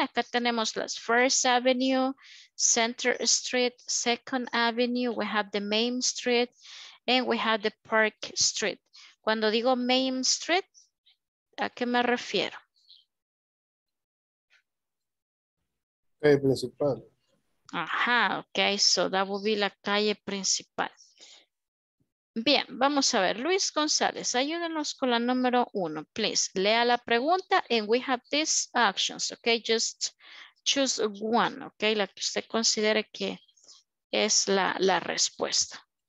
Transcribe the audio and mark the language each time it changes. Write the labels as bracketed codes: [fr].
[es] Acá tenemos las [en] First Avenue, Center Street, Second Avenue, we have the Main Street, and we have the Park Street. [es] Cuando digo Main Street, ¿a qué me refiero? Calle principal. [en] Ajá, ok, so that would be [es] la calle principal. Bien, vamos a ver, Luis González, ayúdenos con la número uno, please. Lea la pregunta [en] and we have these actions, ok? Just choose one, ok? [es] La que usted considere que es la respuesta.